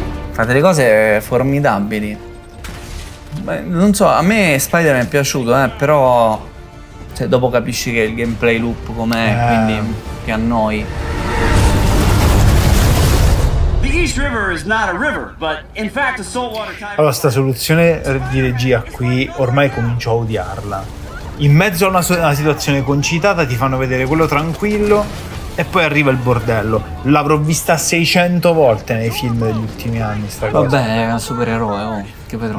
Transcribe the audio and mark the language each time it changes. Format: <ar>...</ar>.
<it>Fa delle cose formidabili. Beh, non so, a me Spider-Man è piaciuto, però. Cioè, dopo capisci che il gameplay loop com'è, quindi. Che a noi.</it> <en>The East River is not a river, but in fact a saltwater tidal.</en> <it>Allora, sta soluzione di regia qui ormai comincio a odiarla. In mezzo a una situazione concitata ti fanno vedere quello tranquillo e poi arriva il bordello. L'avrò vista 600 volte nei film degli ultimi anni, sta cosa. Vabbè, è un supereroe, oh. Che vedrò.</it>